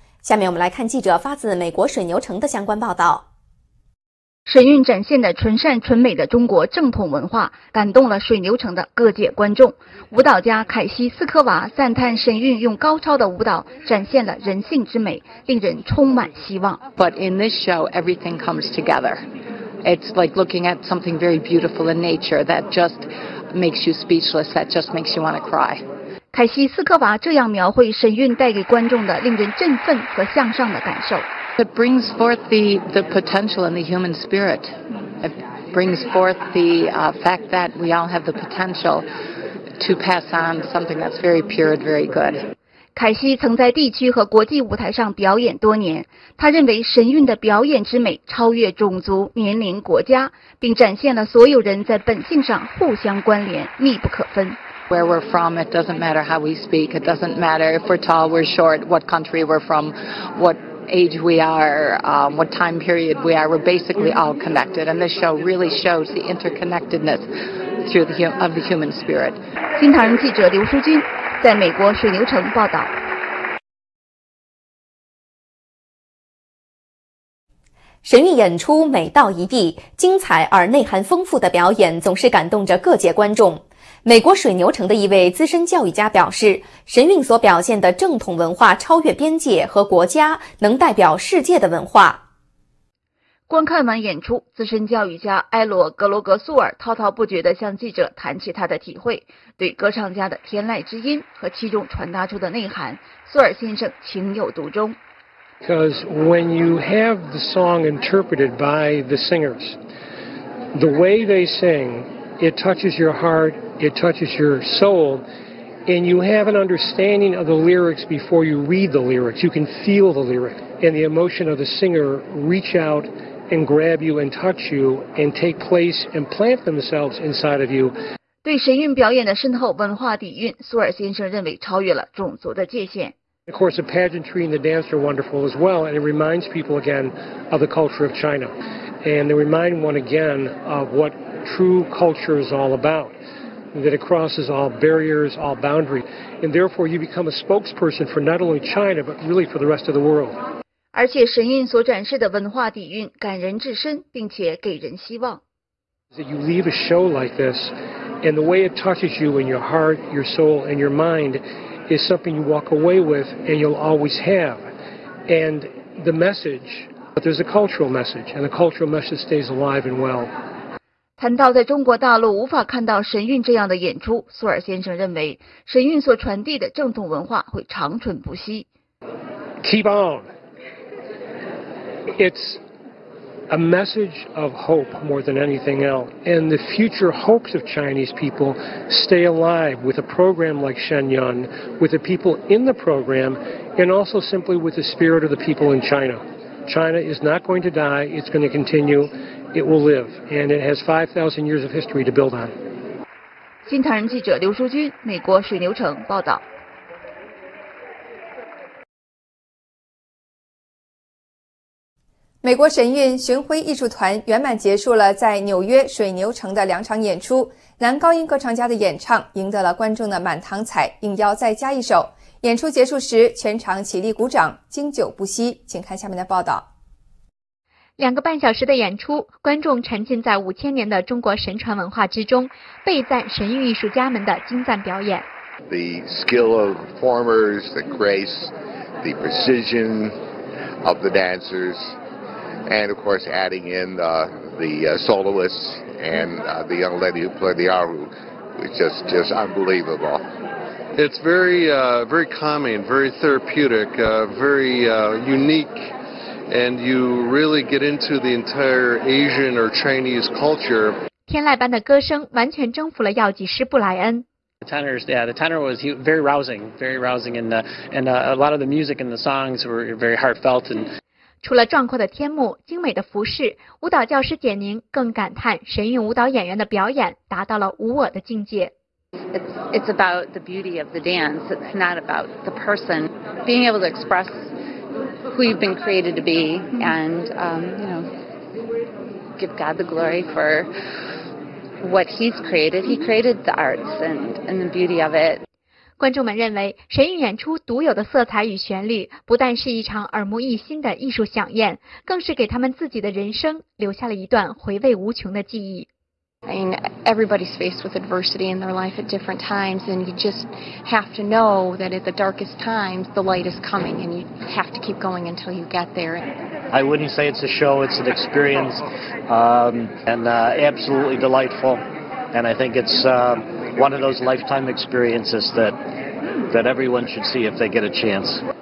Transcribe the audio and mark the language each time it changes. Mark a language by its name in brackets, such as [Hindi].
[Chinese] 下面我们来看记者发自美国水牛城的相关报道。神韵展现的纯善纯美的中国正统文化感动了水牛城的各界观众。舞蹈家凯西·斯科娃赞叹神韵用高超的舞蹈展现了人性之美，令人充满希望。 [English] But in this show, everything comes together. It's like looking at something very beautiful in nature that just makes you speechless, that just makes you want to cry. [Chinese] 凯西·斯科娃这样描绘神韵带给观众的令人振奋和向上的感受。 [English] It brings forth the potential in the human spirit. It brings forth the fact that we all have the potential to pass on something that's very pure and very good. [Chinese] 凯西曾在地区和国际舞台上表演多年，他认为神韵的表演之美超越种族、年龄、国家，并展现了所有人在本性上互相关联、密不可分。 [English] Where we're from, it doesn't matter how we speak. It doesn't matter if we're tall, we're short, what country we're from, what age we are, what time period we are. We're basically all connected. And this show really shows the interconnectedness through the human spirit. [Chinese] 新唐人记者刘淑君在美国水牛城报道。神韵演出美到一地，精彩而内涵丰富的表演总是感动着各界观众。美国水牛城的一位资深教育家表示，神韵所表现的正统文化超越边界和国家，能代表世界的文化。观看完演出，资深教育家埃罗格罗格苏尔滔滔不绝地向记者谈起他的体会，对歌唱家的天籁之音和其中传达出的内涵，苏尔先生情有独钟。 [English] Because when you have the song interpreted by the singers, the way they sing, it touches your heart, it touches your soul, and you have an understanding of the lyrics before you read the lyrics. You can feel the lyric and the emotion of the singer reach out and grab you and touch you and take place and plant themselves inside of you. [Chinese] 对神韵表演的深厚文化底蕴，苏尔先生认为超越了种族的界限。 [English] Of course, the pageantry and the dance are wonderful as well, and it reminds people again of the culture of China. And they remind one again of what true culture is all about, that it crosses all barriers, all boundaries. And therefore, you become a spokesperson for not only China, but really for the rest of the world. [Chinese] 而且神韵所展示的文化底蕴感人至深，并且给人希望。 [English] You leave a show like this, and the way it touches you in your heart, your soul, and your mind,is something you walk away with and you'll always have. And the message, but there's a cultural message, and the cultural message stays alive and well. [Chinese] 谈到在中国大陆无法看到神韵这样的演出，苏尔先生认为神韵所传递的正统文化会长存不息。 [English] Keep on. It's a message of hope more than anything else. And the future hopes of Chinese people stay alive with a program like Shenyun, with the people in the program, and also simply with the spirit of the people in China. China is not going to die. It's going to continue. It will live. And it has 5,000 years of history to build on. [Chinese] 新唐人记者刘淑君，美国水牛城报道。美国神韵巡回艺术团圆满结束了在纽约水牛城的两场演出，男高音歌唱家的演唱赢得了观众的满堂彩，应邀再加一首。演出结束时，全场起立鼓掌，经久不息。请看下面的报道。两个半小时的演出，观众沉浸在5000年的中国神传文化之中，倍赞神韵艺术家们的精湛表演。 [English] The skill of performers, the grace, the precision of the dancers. And of course, adding in the soloists and the young lady who played the aru, which is just unbelievable. It's very calming, very therapeutic, very unique, and you really get into the entire Asian or Chinese culture. [Chinese] 天籁般的歌声完全征服了药剂师布莱恩。 [English] The tenor was very rousing, and a lot of the music and the songs were very heartfelt and. [Chinese] 除了壮阔的天幕、精美的服饰，舞蹈教师简宁更感叹神韵舞蹈演员的表演达到了无我的境界。 [English] It's about the beauty of the dance. It's not about the person. Being able to express who you've been created to be and give God the glory for what He's created. He created the arts and the beauty of it. [Chinese] 观众们认为神韵演出独有的色彩与旋律不但是一场耳目一新的艺术飨宴，更是给他们自己的人生留下了一段回味无穷的记忆。 [English] I mean, everybody's faced with adversity in their life at different times, and you just have to know that at the darkest times the light is coming, and you have to keep going until you get there. I wouldn't say it's a show, it's an experience, and absolutely delightful, and I think it's one of those lifetime experiences that everyone should see if they get a chance.